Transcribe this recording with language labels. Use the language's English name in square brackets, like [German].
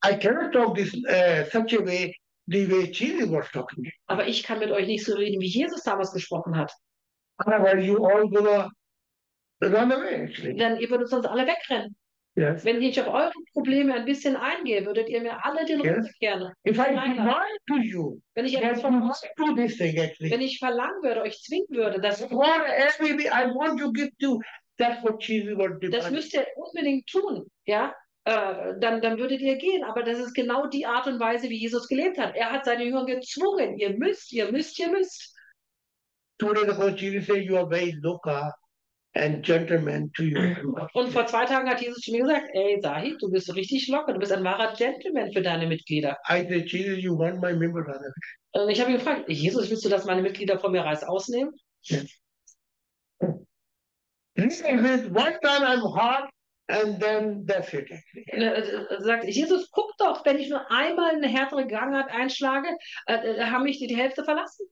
[English] I cannot talk this such a way, the way Jesus was talking. [German] Aber ich kann mit euch nicht so reden, wie Jesus damals gesprochen hat. [English] Well, you all gonna run away, actually. [German] Denn ihr würdet sonst alle wegrennen. [English] Yes. [German] Wenn ich auf eure Probleme ein bisschen eingehe, würdet ihr mir alle den Rücken kehren. Wenn ich verlangen würde, euch zwingen würde, dass das müsst ihr unbedingt tun, ja? Dann würdet ihr gehen. Aber das ist genau die Art und Weise, wie Jesus gelebt hat. Er hat seine Jünger gezwungen. Ihr müsst, ihr müsst, ihr müsst. [English] Today the Jesus said, you are very local. And gentleman to you. [German] Und vor zwei Tagen hat Jesus zu mir gesagt, ey, Sahi, du bist richtig locker, du bist ein wahrer Gentleman für deine Mitglieder. [English] I said, Jesus, you want my member rather. [German] Und ich habe ihn gefragt, Jesus, willst du, dass meine Mitglieder von mir Reißaus nehmen? Sagt Jesus, guck doch, wenn ich nur einmal eine härtere Gangart einschlage, haben mich die Hälfte verlassen.